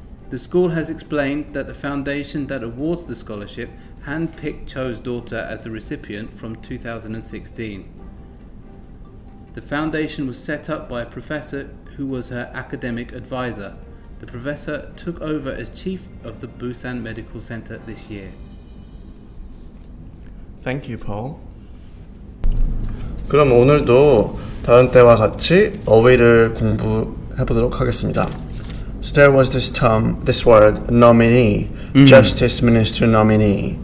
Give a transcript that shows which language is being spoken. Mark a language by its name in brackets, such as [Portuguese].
[English] The school has explained that the foundation that awards the scholarship handpicked Cho's daughter as the recipient from 2016. The foundation was set up by a professor who was her academic advisor. The professor took over as chief of the Busan Medical Center this year. Thank you, Paul. [Korean] 그럼 오늘도 다른 때와 같이 어휘를 공부해보도록 하겠습니다. [English] So there was this term, this word, nominee, Justice Minister nominee.